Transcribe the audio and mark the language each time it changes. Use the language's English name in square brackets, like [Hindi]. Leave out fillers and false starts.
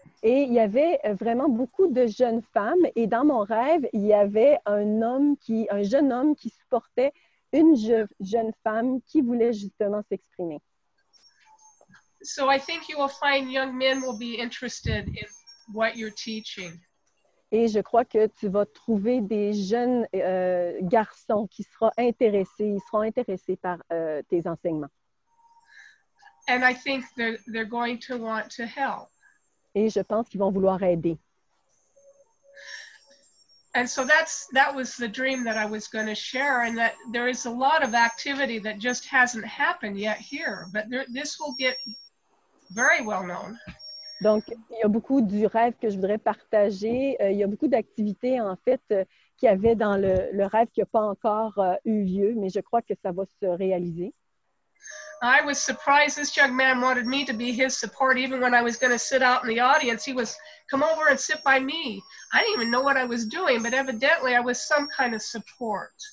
[French] Et il y avait vraiment beaucoup de jeunes femmes, et dans mon rêve, il y avait un jeune homme qui supportait une jeune femme qui voulait justement s'exprimer. [English] So I think you will find young men will be interested in what you're teaching. [French] Et je crois que tu vas trouver des jeunes garçons qui seront intéressés par tes enseignements. [English] And I think they're going to want to help. [French] Et je pense qu'ils vont vouloir aider. [English] And so that was the dream that I was going to share, and that there is a lot of activity that just hasn't happened yet here, but this will get very well known. [French] Donc, il y a beaucoup du rêve que je voudrais partager. Il y a beaucoup d'activités, en fait, qu'il y avait dans le rêve qui n'a pas encore eu lieu, mais je crois que ça va se réaliser. [English] I was surprised this young man wanted me to be his support even when I was going to sit out in the audience. He was, come over and sit by me. I didn't even know what I was doing, but evidently I was some kind of support.